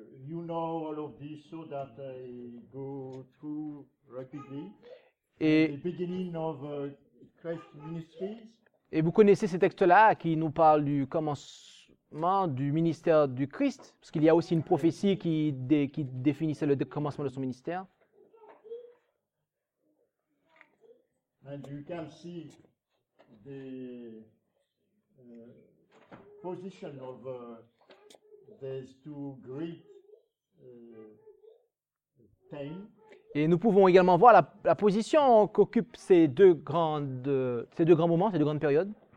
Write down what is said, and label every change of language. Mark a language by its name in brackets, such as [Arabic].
[English] you know all of this so that I go through rapidly. [French] Et [English] the beginning of Christ's ministry. [French] Et vous connaissez ces textes-là qui nous parlent du commencement du ministère du Christ, parce qu'il y a aussi une prophétie qui définissait le commencement de son ministère. [English] And you can see the position of these two great things. [French] Et nous pouvons également voir la position qu'occupent ces deux grands moments, ces deux grandes périodes.